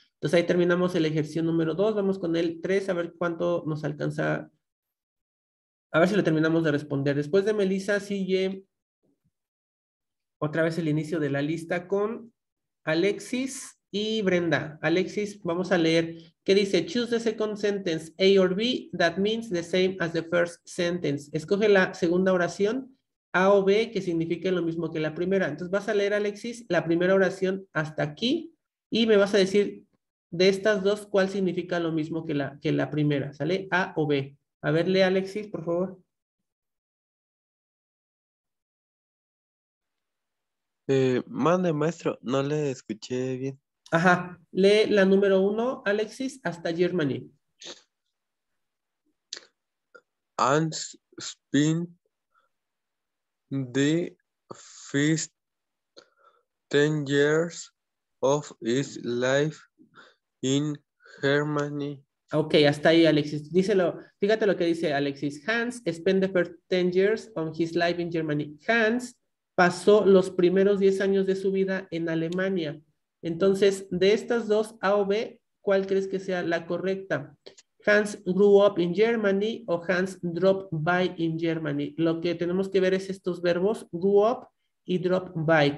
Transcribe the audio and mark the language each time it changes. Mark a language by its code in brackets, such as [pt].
[es] Entonces ahí terminamos el ejercicio número 2. Vamos con el 3, a ver cuánto nos alcanza. A ver si lo terminamos de responder. Después de Melissa sigue. Otra vez el inicio de la lista con Alexis y Brenda. Alexis, vamos a leer. ¿Qué dice? [en] Choose the second sentence, A or B, that means the same as the first sentence. [es] Escoge la segunda oración, A o B, que signifique lo mismo que la primera. Entonces vas a leer, Alexis, la primera oración hasta aquí y me vas a decir de estas dos cuál significa lo mismo que la primera, ¿sale? A o B. A ver, lee, Alexis, por favor. Mande, maestro, no le escuché bien. Ajá, lee la número 1, Alexis, hasta Germany. [en] And spin the first 10 years of his life in Germany. [es] Ok, hasta ahí, Alexis. Díselo, fíjate lo que dice Alexis. [en] Hans spent the first 10 years on his life in Germany. [es] Hans pasó los primeros 10 años de su vida en Alemania. Entonces, de estas dos, A o B, ¿cuál crees que sea la correcta? [en] Hans grew up in Germany o Hans dropped by in Germany. [es] Lo que tenemos que ver es estos verbos, [en] grew up [es] y [en] dropped by.